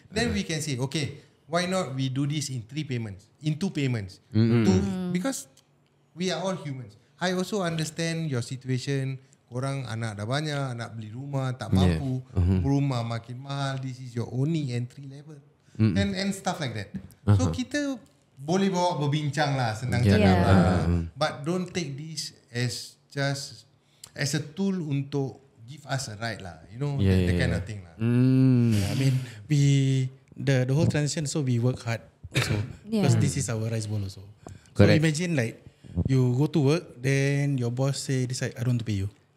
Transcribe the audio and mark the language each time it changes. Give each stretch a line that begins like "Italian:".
English: Then we can say, okay, why not we do this in three payments, in two payments, because we are all humans. I also understand your situation.
Malay: Korang anak dah banyak, nak beli rumah tak mampu, rumah makin mahal.
English: This is your only entry level, and stuff like that.
Malay: So kita boleh bawa berbincang lah, senang-senang lah.
English: But don't take this as just as a tool untuk give us a right lah. You know, kind of thing lah. I mean, the whole transition, so we work hard also. Because this is our rice bowl also. Correct. So imagine like, you go to work, then your boss say, decide, I don't want to pay you.